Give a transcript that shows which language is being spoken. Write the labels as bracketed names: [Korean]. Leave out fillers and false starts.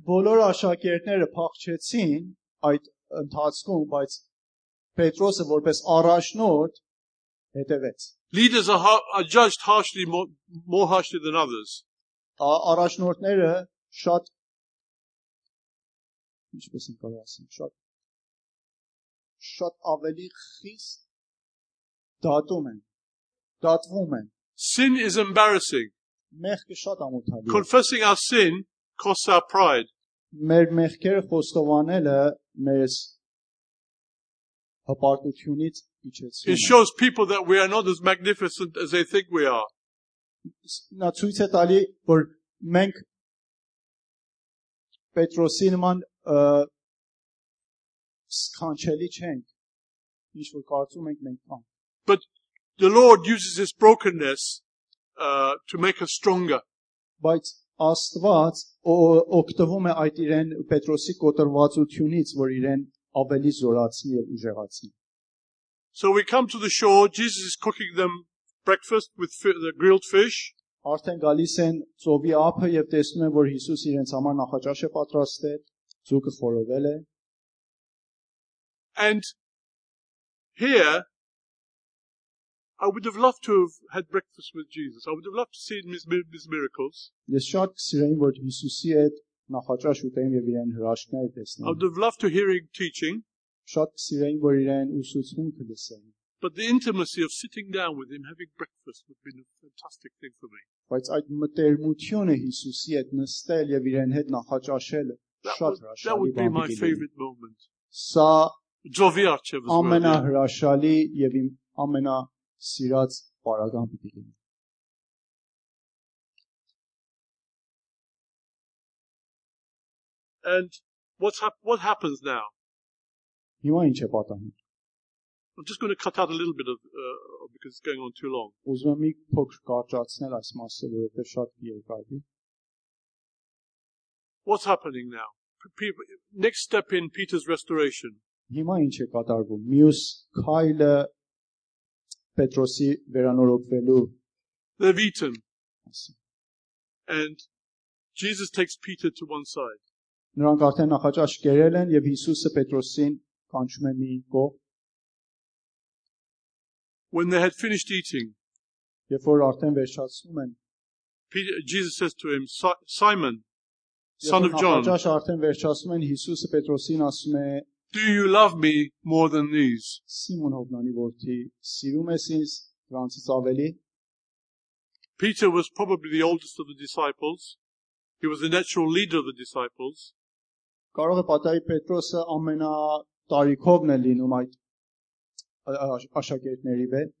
[Armenian] Բոլոր աշակերտները փախչեցին այդ ընթացքում, բայց Պետրոսը որպես առաջնորդ հետևեց. [English] Leaders are judged harshly, more harshly than others. [Armenian] Առաջնորդները շատ, ինչպես ենք կարող ասել, շատ ավելի խիստ դատվում են. [English] Sin is embarrassing. [Armenian] Մեղքը շատ ամոթալի է. [English] Confessing our sin costs our pride. [Armenian] Մեր մեղքերը խոստովանելը մեզ հպարտությունից իջեցնում։ [English] It shows people that we are not as magnificent as they think we are. [Armenian] Նա ցույց է տալի, որ մենք Պետրոսի նման սքանչելի չենք, ինչ որ կարծում ենք մենք կան։ [English] But the Lord uses this brokenness to make us stronger. [Armenian] Բայց Աստված օգտվում է այդ իրեն Պետրոսի կոտրվածությունից, որ իրեն ավելի զորացնի եւ ուժեղացնի։ [English] So we come to the shore, Jesus is cooking them breakfast with the grilled fish. [Armenian] Արդեն գալիս են ծովի ափը եւ տեսնում են, որ Հիսուս իրենց համար նախաճաշ է պատրաստել, ձուկը խորովել է։ [English] And here I would have loved to have had breakfast with Jesus. I would have loved to see his miracles. [Armenian] Ես շատ սիրեմ, որ Հիսուսի հետ նախաճաշ ուտեմ եւ իրեն հրաշքներ տեսնեմ։ [English] I would have loved to hear his teaching. [Armenian] Շատ սիրեմ, որ իրեն ուսուցում կլսեմ։ [English] But the intimacy of sitting down with him having breakfast would have been a fantastic thing for me. [Armenian] Բայց այդ մտերմությունը Հիսուսի հետ նստել եւ իրեն հետ նախաճաշելը շատ հրաշալի բան է։ [English] That would be my favorite moment. [Armenian] Սա ջովի արժե վզրա։ Ամենահրաշալի եւ իմ ամենա սիրած պարագան պիտի լինի։ [English] And what happens now? [Armenian] Հիմա ինչ է պատահում։ [English] I'm just going to cut out a little bit of because it's going on too long. [Armenian] Ուզում եմ մի փոքր կարճացնել այս մասը, որովհետեւ շատ երկար է։ [English] What's happening now? Next step in Peter's restoration. [Armenian] Հիմա ինչ է կատարվում։ Մյուս քայլը Պետրոսի վերանորոգվելու։ [English] They've eaten. And Jesus takes Peter to one side. [Armenian] Նրանք արդեն նախաճաշ կերել են եւ Հիսուսը Պետրոսին կանչում է մի կողմ։ [English] When they had finished eating, [Armenian] երբ որ արդեն վերջացնում են, [English] Jesus says to him, Simon, son of John. [Armenian] Նախաճաշ արդեն վերջացնում են, Հիսուսը Պետրոսին ասում է, [English] Do you love me more than these? [Armenian] Սիմոն Հովնանի որդի, սիրո՞ւմ ես ինձ դրանից ավելի։ [English] Peter was probably the oldest of the disciples. He was the natural leader of the disciples. [Armenian] Կարող է պատահի Պետրոսը ամենա տարիքովն է լինում այդ աշակերտների մեջ։